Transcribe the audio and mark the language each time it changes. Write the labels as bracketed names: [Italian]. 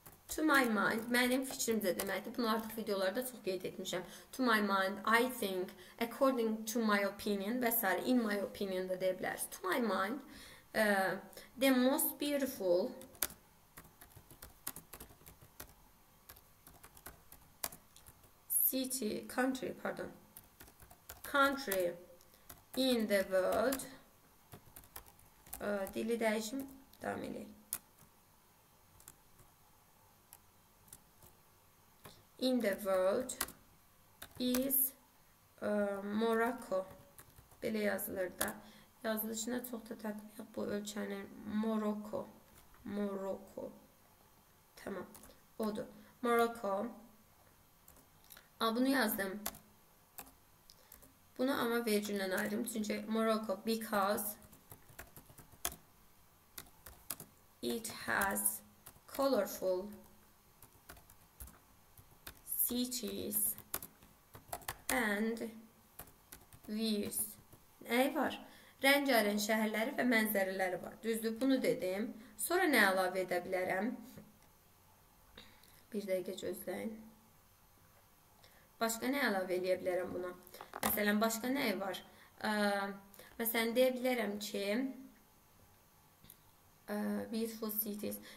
[Azerbaijani] To my mind, mənim fikrimcə deməkdir. Bunu artıq videolarda çox qeyd etmişəm. [English] To my mind, I think, according to my opinion və s. [Azerbaijani] In my opinion da deyə bilərsiniz. [English] To my mind, the most beautiful city, country, pardon, country in the world. [Azerbaijani] Dili dəyişim, devam edelim. [English] In the world is Morocco. [Azerbaijani] Belə yazılır da. Yazılışına çox da tatmin yox bu ölkənin. Morocco. Morocco. Tamam. Odur. Morocco. A, bunu yazdım. Bunu ama vergülden ayrım. [English] Çünkü Morocco because it has colorful cities and views. [Azerbaijani] Ne var? Rəngarəng şəhərləri və mənzərələri var. Düzdür, bunu dedim. Sonra nə əlavə edə bilərəm? Bir dəqiqə gözləyin. Başqa nə əlavə edə bilərəm buna? Məsələn, başqa nə var? Məsələn, deyə bilərəm ki, beautiful cities.